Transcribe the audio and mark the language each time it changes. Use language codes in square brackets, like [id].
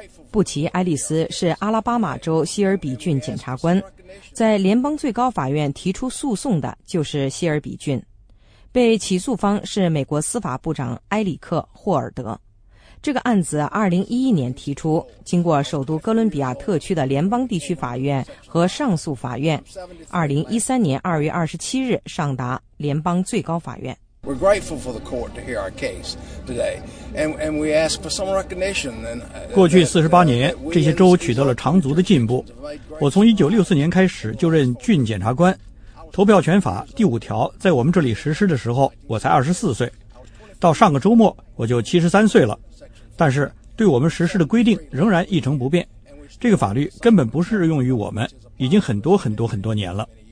[zh] 布奇·埃利斯是阿拉巴马州希尔比郡检察官，在联邦最高法院提出诉讼的就是希尔比郡，被起诉方是美国司法部长埃里克·霍尔德。这个案子2011年提出，经过首都哥伦比亚特区的联邦地区法院和上诉法院，2013年2月27日上达联邦最高法院。 [en] We're grateful for the court to hear our case today, and we ask for some recognition. [zh] 过去48年，这些州取得了长足的进步。我从1964年开始就任郡检察官，投票权法第5条在我们这里实施的时候，我才24岁，到上个周末我就73岁了。但是对我们实施的规定仍然一成不变，这个法律根本不适用于我们，已经很多很多很多年了。